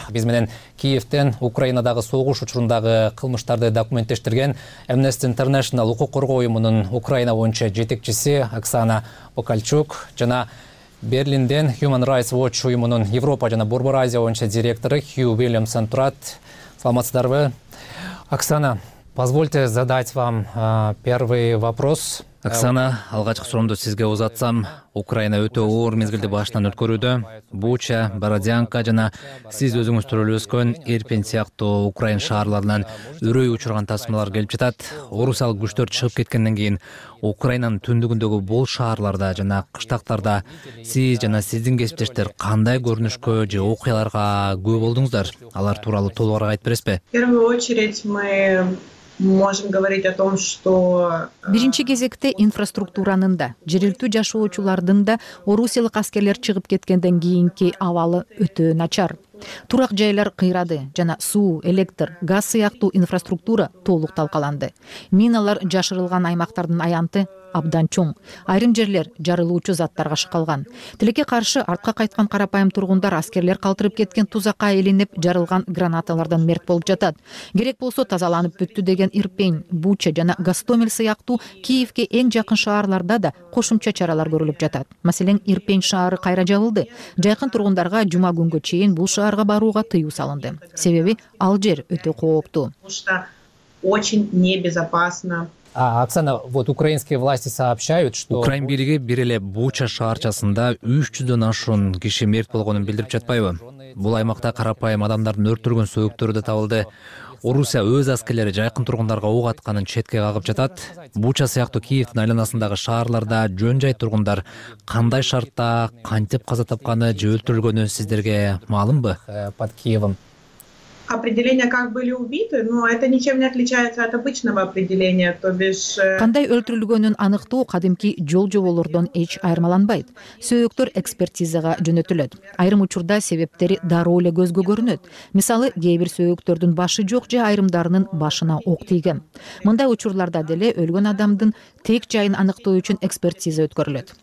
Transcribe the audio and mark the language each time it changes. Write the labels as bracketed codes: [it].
[ky] Биз менен Киевтен Украинадагы согуш учурундагы кылмыштарды документтештирген Amnesty International укук коргоо уюмунун Украина боюнча жетекчиси Оксана Покальчук жана Берлинден Human Rights Watch уюмунун Европа жана Борбор Азия боюнча директору Хью Уильямсон турат. Саламатсыздарбы? [ru] Оксана, позвольте задать вам первый вопрос. [ky] Оксана, алгачкы суроомду сизге узатсам, Украина өтө оор мезгилди башынан өткөрүүдө. Буча, Бородянка жана сиз өзүңүз төрөлүп өскөн Ирпен сыяктуу украин шаарларынан үрөй учурган тасмалар келип жатат. Орусиялык күчтөр чыгып кеткенден кийин Украинанын түндүгүндөгү бул шаарларда жана кыштактарда сиз жана сиздин кесиптештер кандай көрүнүшкө же окуяларга күбө болдуңуздар? Алар тууралуу толугураак айтып бересизби? [ru] В первую очередь можем говорить о том, что [ky] биринчи кезекте инфраструктуранын да, жергилктүү жашоочулардын да орусиялык аскерлер чыгып кеткенден кийинки абалы өтө начар. Турак жайлар кыйрады жана суу, электр, газ сыяктуу инфраструктура толук талкаланды. Миналар жашырылган аймактардын аянты абдан чоң. Айрым жерлер жарылуучу заттарга шыкалган. Тилекке каршы артка кайткан карапайым тургундар аскерлер калтырып кеткен тузакка илинип, жарылган гранаталардан мерт болуп жатат. Керек болсо тазаланып бүттү деген Ирпен, Буча жана Гастомель сыяктуу Киевке эң жакын шаарларда да кошумча чаралар көрүлүп жатат. Маселен, Ирпен шаары кайра жабылды. Жакын тургундарга жума күнгө чейин бул шаарга барууга тыюу салынды. Себеби ал жер өтө кооптуу. [ru] Очень небезопасно. Оксана, вот украинские власти сообщают, что [ky] Украин бийлиги бир эле Буча шаарчасында 300 ашуун киши мерт болгонун билдирип жатпайбы? Бул аймакта карапайым адамдардын өрттүргөн сөөктөрү да табылды. Орусия өз аскерлери жакын тургундарга ок атканын четке кагып жатат. Буча сыяктуу Киевдин айланасындагы шаарларда жөн жай тургундар кандай шартта, кантип каза тапканы же өлтүрүлгөнү сиздерге маалымбы? [ru] Под Киевом определение как были убиты, но это ничем не отличается от обычного определения, то бишь [ky] кандай өлтүрүлгөнүн аныктоо кадимки жол-жоболордон эч айырмаланбайт. Сөөктөр экспертизага жөнөтүлөт. Айрым учурда себептери дароо эле көзгө көрүнөт. Мисалы, кээ бир сөөктөрдүн башы жок же айрымдарынын башына ок тийген. Мындай учурларда деле өлгөн адамдын тек жайын аныктоо үчүн экспертиза өткөрүлөт.